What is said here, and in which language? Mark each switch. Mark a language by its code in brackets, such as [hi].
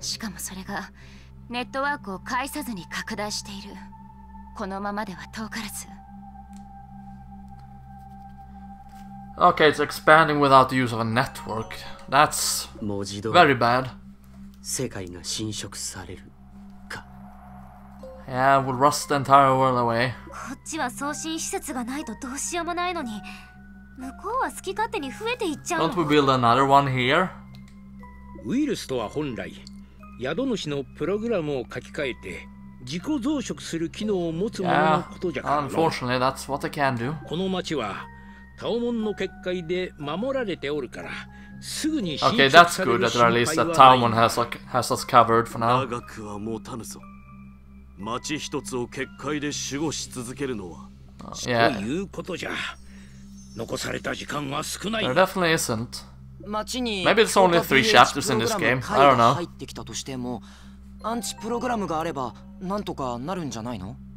[ja] しかもそれがネットワークを介さずに拡大している。このままでは遠からず。 [en] Okay, it's expanding without the use of a network. That's very bad. [ja] 世界が侵食されるか。 [en] Yeah, we'll rust the entire world away. [ja] こっちは送信施設がないとどうしようもないのに。 [en] Don't we build another one here? [ja] ウイルスとは本来、宿主のプログラムを書き換えて自己増殖する機能を持つもののことじゃからの。 [en] Unfortunately, that's what they can do. [ja] この町はタオモンの結界で守られておるから、すぐに侵食される心配はない。 [en] Okay, that's good. At least that Taomon has us covered for now. [ja] 長くは持たぬぞ。町一つを結界で守護し続けるのは、ということじゃ。 [en] There definitely isn't. Maybe it's only 3 chapters in this game. I don't know. [ja] Anti-programs があれば、なんとかなるんじゃないの？